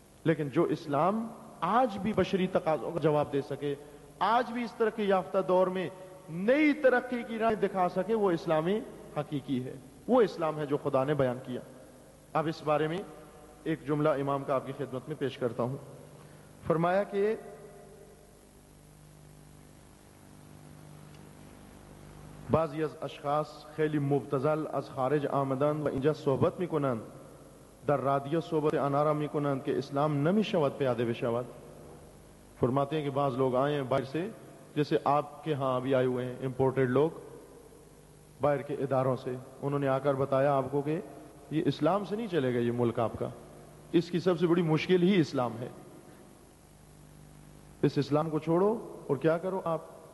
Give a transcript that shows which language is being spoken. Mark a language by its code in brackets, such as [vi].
[ur] لیکن جو اسلام آج بھی بشری تقاضوں کا جواب دے سکے, آج بھی اس ترقی یافتہ دور میں نئی ترقی کی رائے دکھا سکے, وہ اسلام حقیقی ہے. وہ اسلام ہے جو خدا نے بیان کیا. اب اس بارے میں ایک جملہ امام کا آپ کی خدمت میں پیش کرتا ہوں. [fa] فرمایا کہ بعضی از اشخاص خیلی مبتذل از خارج آمدن و اینجا صحبت می کنند, در رادیو صحبت انارا می کنند کہ اسلام نمی شود پیادے بشود. [ur] فرماتے ہیں کہ بعض لوگ آئے ہیں باہر سے, جیسے آپ کے ہاں ابھی آئے ہوئے ہیں امپورٹڈ لوگ باہر کے اداروں سے, انہوں نے آ کر بتایا آپ کو کہ یہ اسلام سے نہیں چلے گا, یہ ملک آپ کا, اس کی سب سے بڑی مشکل ہی اسلام ہے, اس اسلام کو چھوڑو اور کیا کرو آپ.